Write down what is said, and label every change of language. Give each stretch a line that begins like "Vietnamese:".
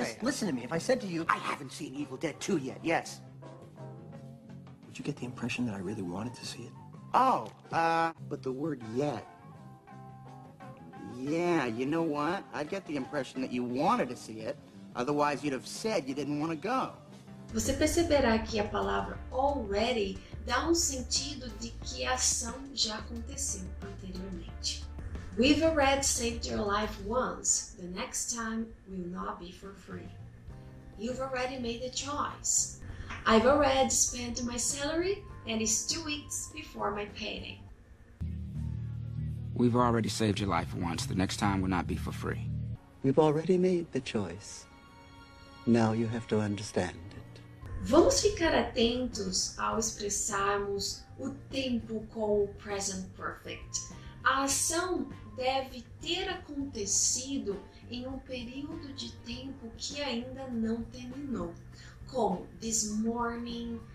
English: Listen to me. If I said to you, I haven't seen Evil Dead 2 yet, yes. Would you get the impression that I really wanted to see it? Oh, but the word yet. Yeah, you know what? I get the impression that you wanted to see it. Otherwise, you'd have said you didn't want to go.
Portuguese: Você perceberá que a palavra already dá sentido de que a ação já aconteceu anteriormente.
English: We've already saved your life once. The next time will not be for free. You've already made a choice. I've already spent my salary and it's 2 weeks before my payday. We've already saved your life once. The next time will not be for free. We've already made the choice. Now you have to understand it.
Portuguese: Vamos ficar atentos ao expressarmos o tempo com o present perfect. A ação deve ter acontecido em período de tempo que ainda não terminou, como this morning,